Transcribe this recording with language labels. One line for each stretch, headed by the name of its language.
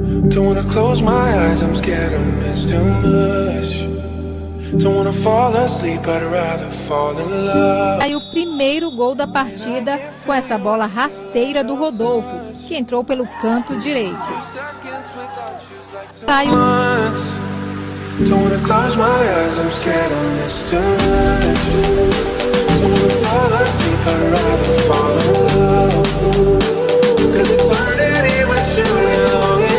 English: Don't wanna close my eyes, I'm scared I'll miss too much. Don't wanna fall asleep, I'd rather fall in love.
Portuguese: Aí o primeiro gol da partida com essa bola rasteira do Rodolfo, que entrou pelo canto direito. Aí
English: don't wanna close my eyes, I'm scared I'll miss too much. Don't wanna fall asleep, I'd rather fall in love. Cause eternity with you and all.